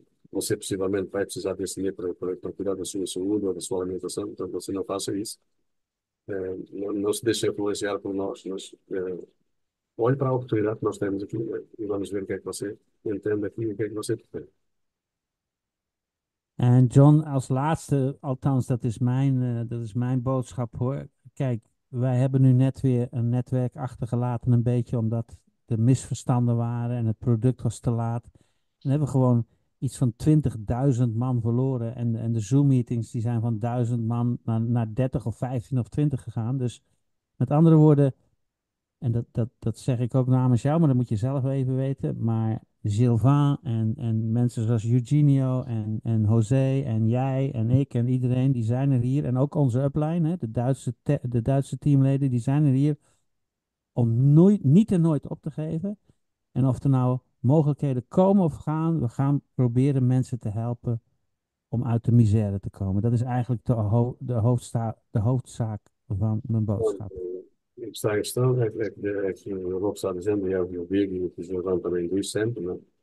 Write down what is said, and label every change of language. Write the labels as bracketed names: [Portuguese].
[Portuguese] Você possivelmente vai precisar desse dinheiro para cuidar da sua saúde ou da sua alimentação, então você não faça isso. Não se deixe influenciar por nós, mas olhe para a oportunidade que nós temos aqui e vamos ver o que é que você entende aqui e o que é que você prefere. [Dutch] En John, als laatste, althans, dat is mijn boodschap hoor. Kijk, wij hebben nu net weer een netwerk achtergelaten, een beetje omdat er misverstanden waren en het product was te laat. Dan hebben we gewoon iets van 20.000 man verloren. En de Zoom-meetings die zijn van 1.000 man naar 30 of 15 of 20 gegaan. Dus met andere woorden, en dat zeg ik ook namens jou, maar dat moet je zelf even weten, maar Gilvan en mensen zoals Eugenio en José en jij en ik en iedereen, die zijn er hier. En ook onze upline, hè, de Duitse teamleden, die zijn er hier om nooit, niet en nooit op te geven. En of er nou mogelijkheden komen of gaan, we gaan proberen mensen te helpen om uit de misère te komen. Dat is eigenlijk de hoofdzaak van mijn boodschap. [Portuguese] O que está em questão é que o Rob está dizendo, e é o que eu digo, e o que o Jordão também diz sempre, né?